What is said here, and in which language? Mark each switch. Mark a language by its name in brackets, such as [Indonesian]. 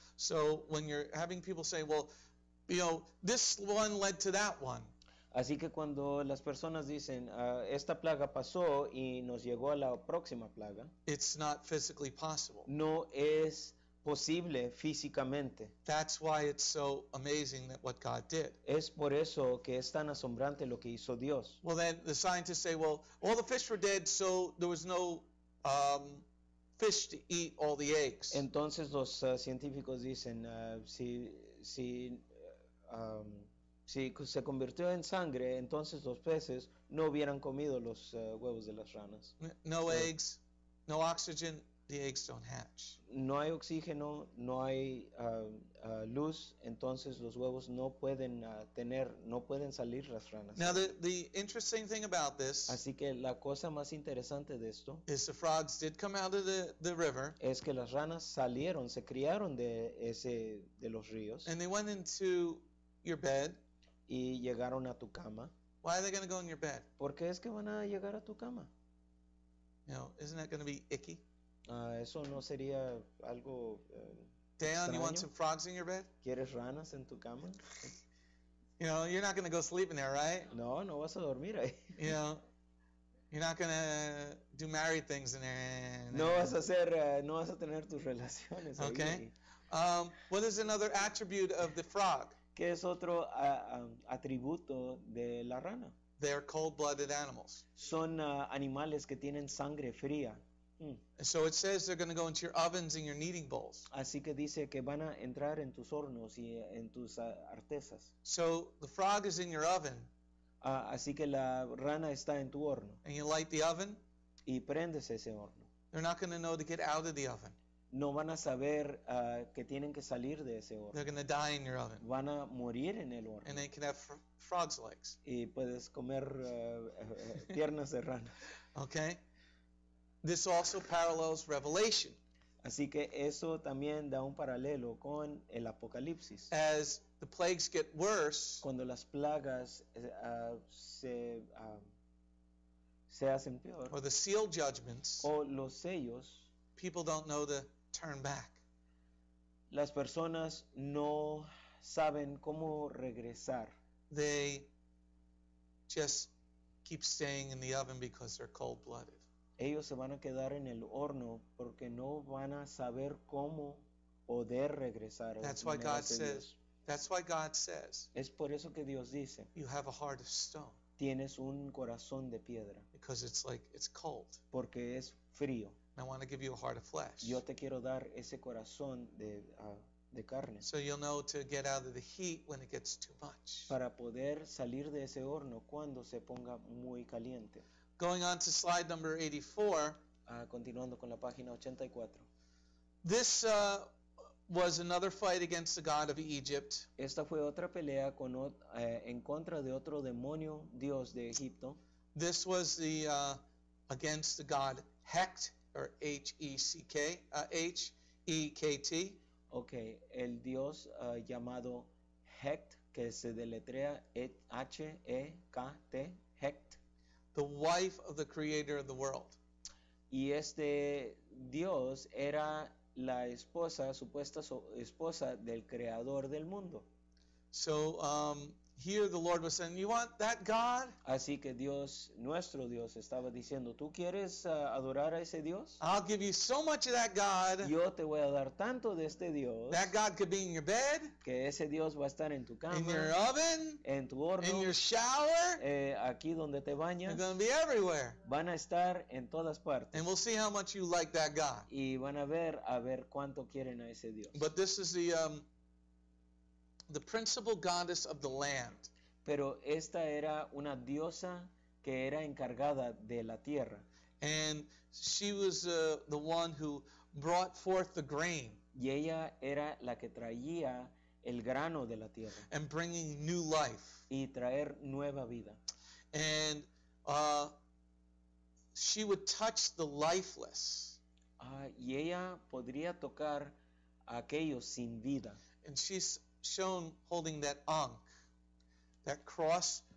[English] So when you're having people say, well, you know, this one led to that one. [Spanish] Así que cuando las personas dicen, esta plaga pasó y nos llegó a la próxima plaga. [English] It's not physically possible. [Spanish] No es posible físicamente. [English] That's why it's so amazing that what God did. [Spanish] Es por eso que es tan asombrante lo que hizo Dios. [English] Well, then the scientists say, well, all the fish were dead, so there was no fish to eat all the eggs. [Spanish] Entonces los científicos dicen, si se convirtió en sangre, entonces los peces no hubieran comido los huevos de las ranas. [English] No eggs, no oxygen, the eggs don't hatch. [Spanish] No hay oxígeno, no hay luz, entonces los huevos no pueden no pueden salir las ranas. [English] Now the interesting thing about this, [Spanish] así que la cosa más interesante de esto, [English] is the frogs did come out of the river, [Spanish] es que las ranas salieron, se criaron de los ríos, [English] and they went into your bed. [Spanish] Y llegaron a tu cama. [English] Why are they going to go in your bed? [Spanish] ¿Por qué es que van a llegar a tu cama? [English] You know, isn't that going to be icky? [Spanish] Eso no sería algo Dan, extraño? [English] You want some frogs in your bed? [Spanish] ¿Quieres ranas en tu cama? [English] You know, you're not going to go sleep in there, right? [Spanish] No, no vas a dormir ahí. [English] You know, you're not going to do married things in there. [Spanish] No vas a hacer, no vas a tener tus relaciones ahí. [English] Okay. What is another attribute of the frog? [Spanish] ¿Qué es otro atributo de la rana? [English] They're cold-blooded animals. [Spanish] Son animales que tienen sangre fría. [English] So it says they're going to go into your ovens and your kneading bowls. [Spanish] Así que dice que van a entrar en tus hornos y en tus artesas. [English] So the frog is in your oven. [Spanish] Así que la rana está en tu horno. [English] And you light the oven. [Spanish] Y prendes ese horno. [English] They're not going to know to get out of the oven. [Spanish] No van a saber que tienen que salir de ese horno. [English] They're going to die in your oven. [Spanish] Van a morir en el horno. [English] And they can have frog's legs. [Spanish] Y puedes comer piernas de rana. [English] Okay. This also parallels Revelation. [Spanish] Así que eso también da un paralelo con el Apocalipsis. [English] As the plagues get worse, [Spanish] cuando las plagas se hacen peor, [English] or the seal judgments, [Spanish] o los sellos, [English] people don't know to turn back. [Spanish] Las personas no saben cómo regresar. [English] They just keep staying in the oven because they're cold-blooded. [Spanish] Ellos se van a quedar en el horno porque no van a saber cómo poder regresar. [English] That's why God says. That's why God says. [Spanish] Es por eso que Dios dice. [English] You have a heart of stone. [Spanish] Tienes un corazón de piedra. [English] Because it's like it's cold. [Spanish] Porque es frío. [English] I want to give you a heart of flesh. [Spanish] Yo te quiero dar ese corazón de carne. [English] So you'll know to get out of the heat when it gets too much. [Spanish] Para poder salir de ese horno cuando se ponga muy caliente. [English] Going on to slide number 84. [Spanish] Continuando con la página 84. [English] This was another fight against the god of Egypt. [Spanish] Esta fue otra pelea con en contra de otro demonio, dios de Egipto. [English] This was the against the god Hekt, or H-E-C-K, H-E-K-T. [Spanish] Okay, el dios llamado Hekt, que se deletrea H-E-K-T, Hekt. [English] The wife of the creator of the world. [Spanish] Y este dios era la esposa, supuesta esposa del creador del mundo. [English] So, here the Lord was saying, you want that God? [Spanish] Así que Dios, nuestro Dios, estaba diciendo, ¿tú quieres adorar a ese Dios? [English] I'll give you so much of that God. [Spanish] Yo te voy a dar tanto de este Dios. [English] That God could be in your bed. [Spanish] Que ese Dios va a estar en tu cama. [English] In your oven. [Spanish] En tu horno. [English] In your shower. [Spanish] Aquí donde te bañas. [English] You're going to be everywhere. [Spanish] Van a estar en todas partes. [English] And we'll see how much you like that God. [Spanish] Y van a ver cuánto quieren a ese Dios. [English] But this is the... the principal goddess of the land. [Spanish] Pero esta era una diosa que era encargada de la tierra. [English] And she was the one who brought forth the grain. [Spanish] Y ella era la que traía el grano de la tierra. [English] And bringing new life. [Spanish] Y traer nueva vida. [English] And she would touch the lifeless. [Spanish] Y ella podría tocar a aquellos sin vida. [English] And she's shown holding that ankh, that cross.